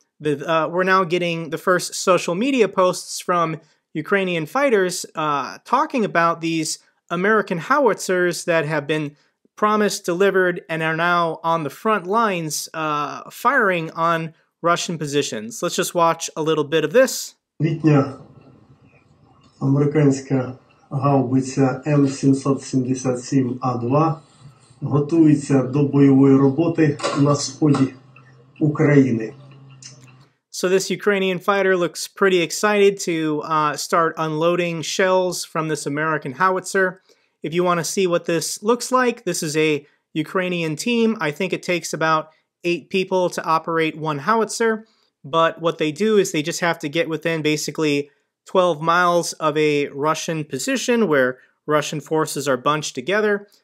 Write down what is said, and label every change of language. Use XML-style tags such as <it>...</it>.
<en>We're now getting the first social media posts from Ukrainian fighters talking about these American howitzers that have been promised, delivered, and are now on the front lines firing on Russian positions. Let's just watch a little bit of this.</en> <uk>Літня американська гаубиця М777А2 готується до бойової роботи на сході України.</uk> <en>So this Ukrainian fighter looks pretty excited to start unloading shells from this American howitzer. If you want to see what this looks like, this is a Ukrainian team. I think it takes about 8 people to operate one howitzer, but what they do is they just have to get within basically 12 miles of a Russian position where Russian forces are bunched together.</en>